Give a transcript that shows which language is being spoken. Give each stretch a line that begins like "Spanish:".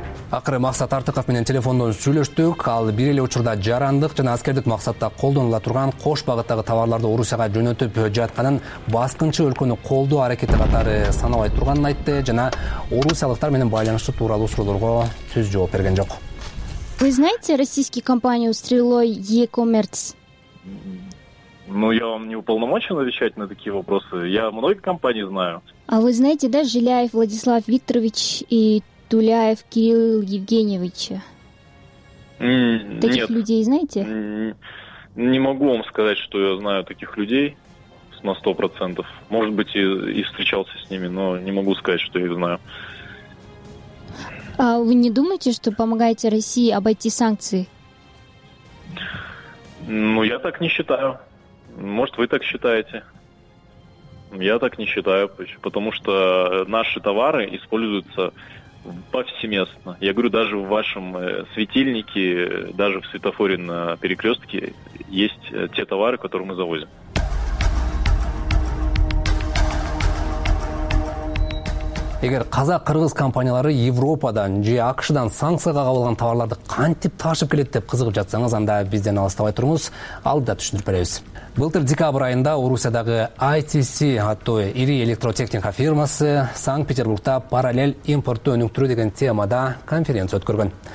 Kyrgyz: Акыры Максат Артыков менен телефондон сүйлөштүк. Ал бир эле учурда жарандык жана аскердик максатта колдонула турган кош багыттагы товарларды Орусияга жөнөтүп жатканын, баскынчы өлкөнү колдоо аракети катары саналбай турганын айтты жана орусиялыктар менен байланыштуу тууралуу суроолорго түз жооп берген жок.
Russian: Вы знаете российский компанию Стрелой e-commerce? Ну, я вам не уполномочен отвечать на такие вопросы. Я многие компании знаю. А вы знаете, да, Жиляев Владислав Викторович и Туляев Кирилл Евгеньевич? Таких нет. Людей знаете? Не могу вам сказать, что я знаю таких людей на 100%. Может быть, и встречался с ними, но не могу сказать, что я их знаю. А вы не думаете, что помогаете России обойти санкции? Ну, я так не считаю. Может, вы так считаете. Я так не считаю, потому что наши товары используются повсеместно. Я говорю, даже в вашем светильнике, даже в светофоре на перекрестке есть те товары, которые мы завозим.
Kyrgyz: Эгер казак-кыргыз компаниялары Европадан же АКШдан санкцияга кабылган товарларды кантип ташып келет деп кызыгып жатсаңыз, анда бизден алыстабай туруңуз, алда түшүндүрүп беребиз. Былтыр декабрь айында Орусиядагы ITC аттуу ири электротехника фирмасы Санкт-Петербургда параллель импортту өнүктүрүү деген темада конференция өткөргөн.